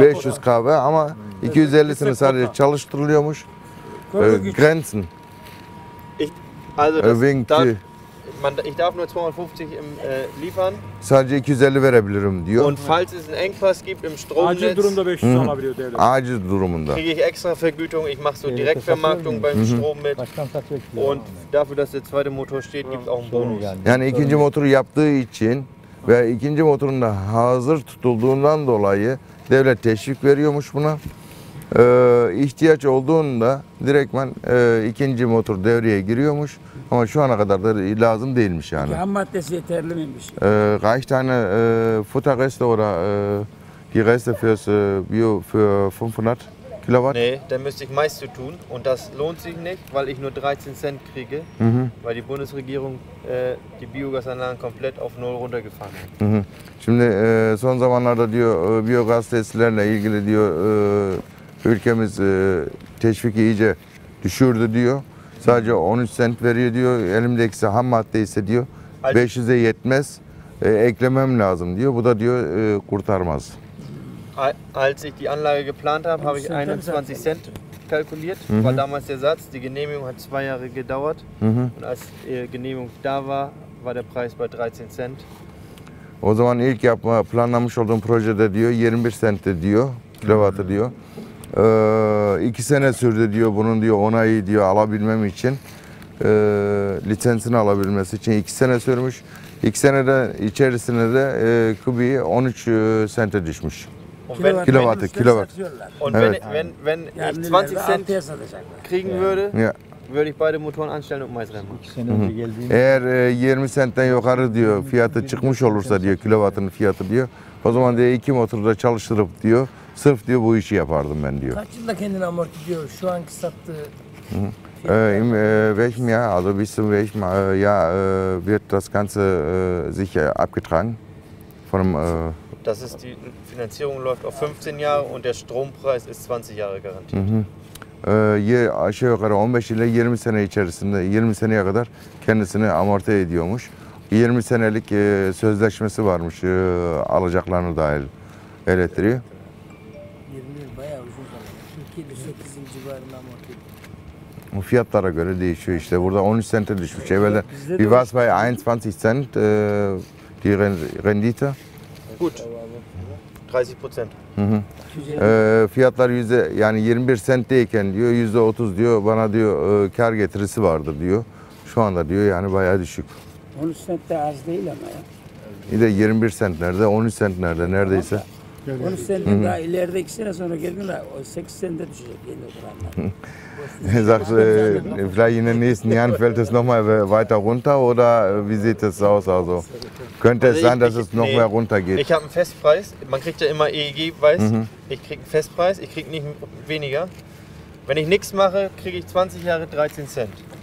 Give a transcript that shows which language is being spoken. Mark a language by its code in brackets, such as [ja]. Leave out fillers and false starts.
[tr] 500 kW ama 250'sini sadece çalıştırılıyormuş. [de] Grenzen. Also das ich darf nur 250 liefern. [tr] Sadece 250 verebilirim diyor. [de] Und falls es einen Engpass gibt im Stromnetz. [tr] Acil durumda 500 alabiliyor devlet. Acil durumunda. [de] Kriege ich extra Vergütung, ich mache so Direktvermarktung beim Strom mit. Und dafür, dass der zweite Motor steht, gibt es auch einen Bonus. [tr] Yani ikinci motoru yaptığı için ve ikinci motorun da hazır tutulduğundan dolayı devlet teşvik veriyormuş buna. İhtiyaç olduğunda direktmen ikinci motor devreye giriyormuş. Ama şu ana kadar da lazım değilmiş yani. Ham maddesi yeterli miymiş? [de] Reicht eine Futterreste oder die Reste fürs Bio für 500 Kilowatt? Nee, da müsste ich meist zu tun und das lohnt sich nicht, weil ich nur 13 Cent kriege, weil die Bundesregierung die Biogasanlagen komplett auf null runtergefahren hat. Mhm. [tr] Şimdi son zamanlarda diyor biyogaz tesislerle ilgili diyor ülkemiz teşviki iyice düşürdü diyor. Sadece 13 cent veriyor diyor. Elimdekisi ham madde ise diyor 500'e yetmez. Eklemem lazım diyor. Bu da diyor kurtarmaz. [de] Als ich die Anlage geplant habe, habe ich 21 cent kalkuliert. War damals der Satz, die Genehmigung hat 2 Jahre gedauert. Und als die Genehmigung da war, war der Preis bei 13 cent. [tr] O zaman ilk yapma planlamış olduğum projede diyor 21 cent diyor. Kilovatı diyor. 2 sene sürdü diyor bunun diyor onayı diyor alabilmem için lisansını alabilmesi için 2 sene sürmüş. 2 senede içerisinde de kubiği 13 sente düşmüş. [de] Kilowatt kilowatt. [tr] Evet. [de] Wenn [tr] yani [de] 20 cent kriegen würde, würde ich beide Motoren anstellen und Mais rennen. [tr] Eğer 20 centten yukarı diyor fiyatı çıkmış olursa diyor kilowattın fiyatı diyor. O zaman diye 2 motoru da çalıştırıp diyor. Sırf diyor bu işi yapardım ben diyor. Kaç yılda kendini amortiliyor şu anki sattığı? [de] Welchem Jahr, also bis zum welchem Jahr wird das Ganze sicher abgetragen? Das ist die Finanzierung läuft auf 15 Jahre und der Strompreis ist 20 Jahre garantiert. [tr] Aşağı yukarı 15 ile 20 sene içerisinde, 20 seneye kadar kendisini amorti ediyormuş. 20 senelik sözleşmesi varmış alacaklarına dair elektriği. 20 yıl bayağı uzun zaman. 2008'in civarında amorti. Bu fiyatlara göre değişiyor işte. Burada 13 sente düşmüş. Evvelden bir [de] vas bei 21 cent die Rendite. Gut. 30%. [tr] Fiyatlar yüzde yani 21 centteyken diyor %30 diyor bana diyor kar getirisi vardır diyor. Şu anda diyor yani bayağı düşük. 13 cent de az değil ama ya. Bir de 21 cent nerede? 13 cent nerede? Neredeyse. 13 cent daha ileride 2 sene sonra geldin de 8 cent de düşecek. [de] Yeni sagst du, vielleicht in den nächsten Jahren fällt es nochmal weiter runter oder wie sieht es aus? Also könnte es sein, dass es noch mehr runtergeht? Ich habe einen Festpreis. Man kriegt ja immer EEG-Weiß. Mhm. Ich kriege einen Festpreis. Ich kriege nicht weniger. Wenn ich nichts mache, kriege ich 20 Jahre 13 Cent.